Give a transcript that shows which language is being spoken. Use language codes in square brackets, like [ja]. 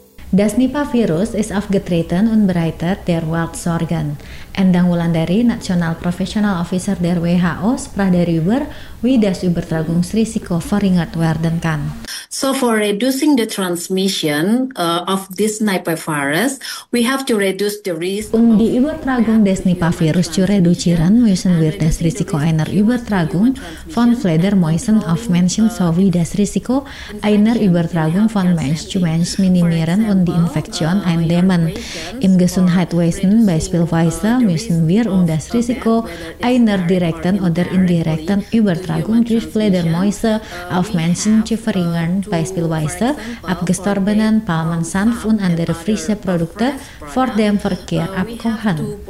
[de] Das Nipah-Virus ist aufgetreten und bereitet der Welt Sorgen. Endang Wulandari, National Professional Officer der WHO, sprach darüber, wie das Übertragungsrisiko verringert werden kann. [en] So for reducing the transmission of this Nipah-Virus, we have to reduce the risk. [de] Um die Übertragung des Nipah-Virus zu reduzieren, müssen wir das Risiko einer Übertragung von Fledermäusen auf Menschen sowie das Risiko einer Übertragung von Mensch zu Mensch minimieren und die Infektion eindämmen. Im Gesundheitswesen beispielsweise müssen wir um das Risiko einer direkten oder indirekten Übertragung durch Fledermäuse auf Menschen zu verringern, beispielsweise abgestorbenen Palmensanf und andere frische Produkte vor dem Verkehr abkochen.